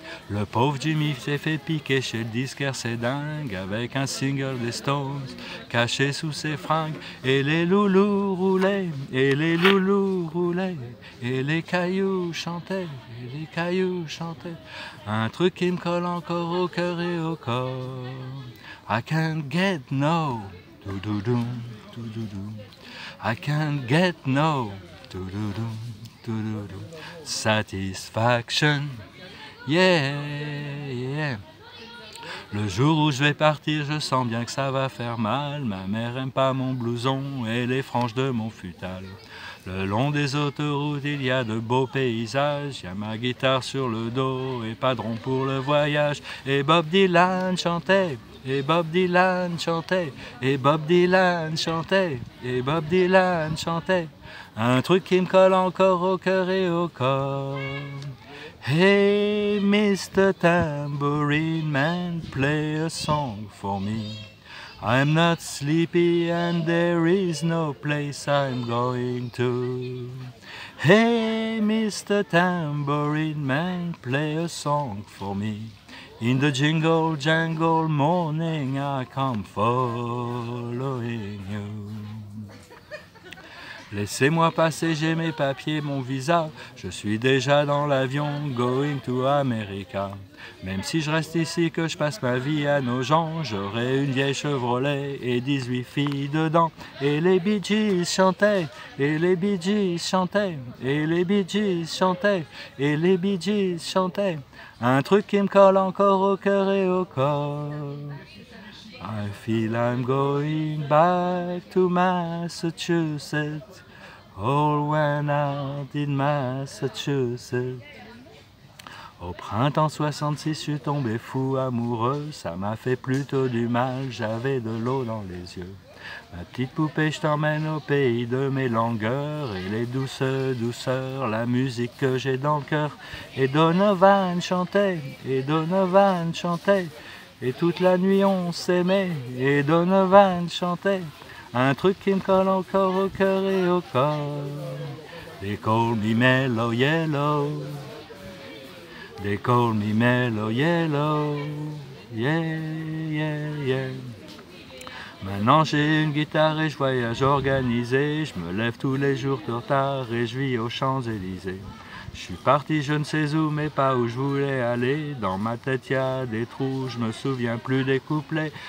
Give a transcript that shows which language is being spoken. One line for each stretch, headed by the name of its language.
French: Le pauvre Jimmy s'est fait piquer chez le disquaire, c'est dingue, avec un single des Stones caché sous ses fringues. Et les loulous roulaient, et les loulous roulaient, et les cailloux chantaient, et les cailloux chantaient. Un truc qui me colle encore au cœur et au corps.
English: I can't get no, doudoudou, doudoudou. I can't get no doo-doo-doo, doo-doo-doo. Satisfaction, yeah, yeah.
French: Le jour où je vais partir, je sens bien que ça va faire mal. Ma mère aime pas mon blouson et les franges de mon futal. Le long des autoroutes, il y a de beaux paysages. Y'a ma guitare sur le dos et pas de rond pour le voyage. Et Bob Dylan chantait, et Bob Dylan chantait, et Bob Dylan chantait, et Bob Dylan chantait. Un truc qui me colle encore au cœur et au corps.
English: Hey Mr. Tambourine Man, play a song for me. I'm not sleepy and there is no place I'm going to. Hey Mr. Tambourine Man, play a song for me. In the jingle jangle morning I come following you.
French: Laissez-moi passer, j'ai mes papiers, mon visa. Je suis déjà dans l'avion,
English: going to America.
French: Même si je reste ici, que je passe ma vie à nos gens, j'aurai une vieille Chevrolet et 18 filles dedans. Et les Bee Gees chantaient, et les Bee Gees chantaient, et les Bee Gees chantaient, et les Bee Gees chantaient. Un truc qui me colle encore au cœur et au corps.
English: I feel I'm going back to Massachusetts. All went out in Massachusetts.
French: Au printemps 66, je suis tombé fou amoureux. Ça m'a fait plutôt du mal, j'avais de l'eau dans les yeux. Ma petite poupée, je t'emmène au pays de mes langueurs. Et les douces douceurs, la musique que j'ai dans le cœur. Et Donovan chantait, et Donovan chantait. Et toute la nuit on s'aimait, et Donovan chantait. Un truc qui me colle encore au cœur et au corps.
English: They call me mellow yellow. They call me mellow yellow. Yeah, yeah, yeah.
French: Maintenant j'ai une guitare et je voyage organisé. Je me lève tous les jours tôt tard et je vis aux Champs-Élysées. Je suis parti je ne sais où, mais pas où je voulais aller. Dans ma tête y'a des trous, je me souviens plus des couplets.